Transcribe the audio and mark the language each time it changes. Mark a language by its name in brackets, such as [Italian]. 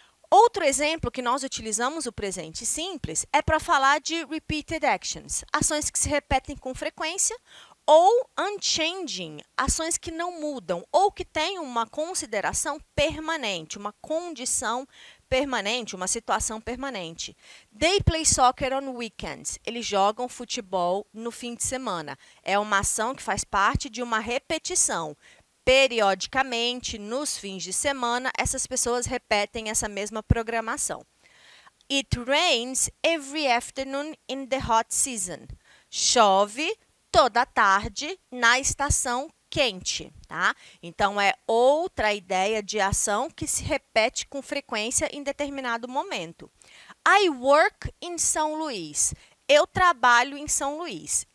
[Portuguese] Outro exemplo que nós utilizamos o presente simples é para falar de [English] repeated actions, [Portuguese] ações que se repetem com frequência, ou [English] unchanging, [Portuguese] ações que não mudam, ou que têm uma consideração permanente, uma condição permanente, uma situação permanente. [English] They play soccer on weekends. [Portuguese] Eles jogam futebol no fim de semana. É uma ação que faz parte de uma repetição. Periodicamente, nos fins de semana, essas pessoas repetem essa mesma programação. [English] It rains every afternoon in the hot season. [Portuguese] Chove toda tarde na estação quente, tá? Então é outra ideia de ação que se repete com frequência em determinado momento. [English] I work in São Luís. [Portuguese] Eu trabalho em São Luís.